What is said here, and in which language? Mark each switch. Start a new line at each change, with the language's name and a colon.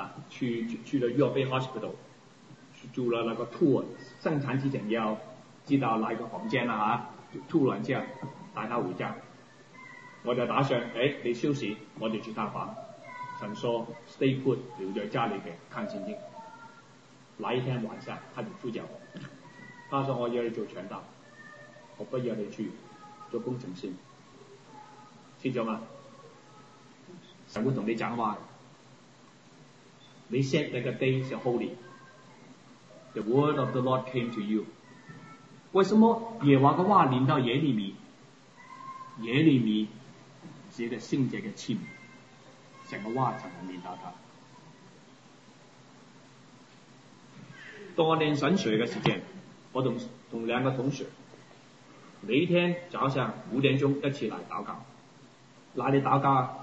Chinese: 去了 York Bay Hospital， 去住了那个 tour， 生产之前要知道哪个房间了啊，就 tour 完之后带她回家，我就打算你休息，我就去探访。神说
English: stay put，
Chinese: 留在家里边看圣经。哪一天晚上他就呼叫我，他说我要你做传道，我不要你去做工程师，听着吗？神会同你讲话，你
English: set
Chinese: 那个 day 是 holy，
English: the word of the Lord came to you。
Chinese: 为什么耶和华的话临到耶利米？耶利米是一个圣洁的器皿，整个话才能领导他。多年神学的时间，我 同两个同学每一天早上五点钟一起来祷告。哪里祷告？